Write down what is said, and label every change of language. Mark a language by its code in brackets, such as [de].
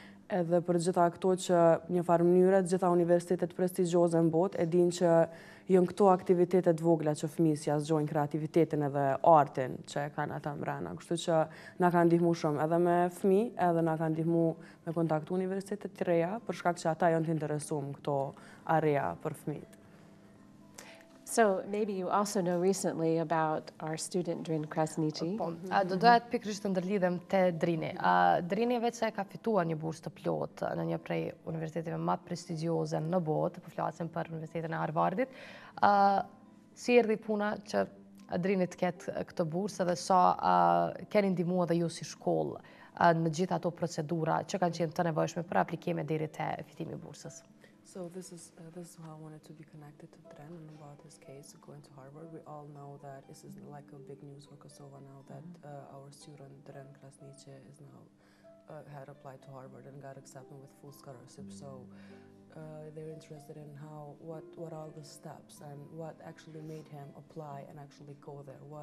[sq] Edhe për gjitha këto që një farë mënyre të gjitha universitetet prestigjioze në botë e din që jënë këto aktivitetet vogla që fëmijës ja zgjojnë kreativitetin edhe artin që kanë ata mbrana. Kështu që na kanë ndihmu shumë edhe me fëmi, edhe na kanë ndihmu me kontaktu universitetet të reja, për shkak që ata jënë të interesum këto area për fëmijët. [en] So maybe you also know recently about our student Drin Krasniqi. [sq] Do doja të pikërisht të ndërlidhem te Drini. Drini vetë ka fituar një bursë të plotë në një prej universiteteve më prestigjioze në botë, po flasim për Universitetin e Harvardit. Si erdhi puna që Drini të ketë këtë bursë dhe sa keni ndihmuar dhe ju si shkollë në gjitha ato procedura që kanë qenë të nevojshme për aplikime deri te fitimi I bursës? [en] So this is how I wanted to be connected to Tren and about his case going to Harvard. We all know that this is like a big news for Kosovo now that our student Tren Krasniqi is now had applied to Harvard and got accepted with full scholarship. So they're interested in how what are the steps and what actually made him apply and actually go there.